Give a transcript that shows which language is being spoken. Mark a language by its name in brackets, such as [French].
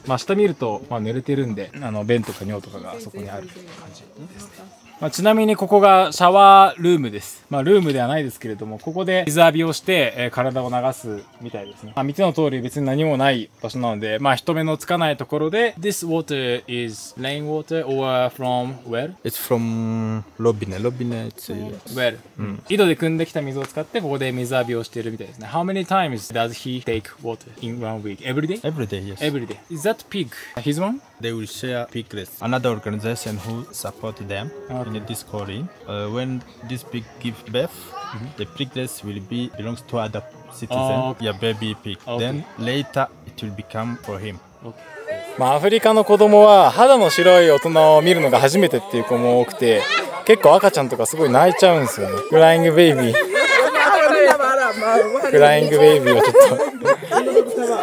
[Japanese] まあ下見ると、まあ、濡れてるんで、便とか尿とかがそこにあるっていう感じですね。まあ、ちなみにここがシャワールームです。まあルームではないですけれども、ここで水浴びをして、体を流すみたいですね。まあ見ての通り別に何もない場所なので、まあ人目のつかないところで。 [English] This water is rain water or from where? It's from robinet. Robinet is... Where? [Japanese] 井戸で汲んできた水を使ってここで水浴びをしているみたいですね。 [English] How many times does he take water in one week? Every day? Every day, yes. Every day. Is that pig his one? They will share piglets. Another organization who support them、okay. in this calling.、When this pig give birth,、mm-hmm. the piglets will be belongs to other citizen, oh, okay. Yeah, baby pig.、Okay. Then later it will become for him.、 Okay. [Japanese] まあ、アフリカの子供は肌の白い大人を見るのが初めてっていう子も多くて、結構赤ちゃんとかすごい泣いちゃうんですよね。フライングベイビー。フライングベイビーをちょっと。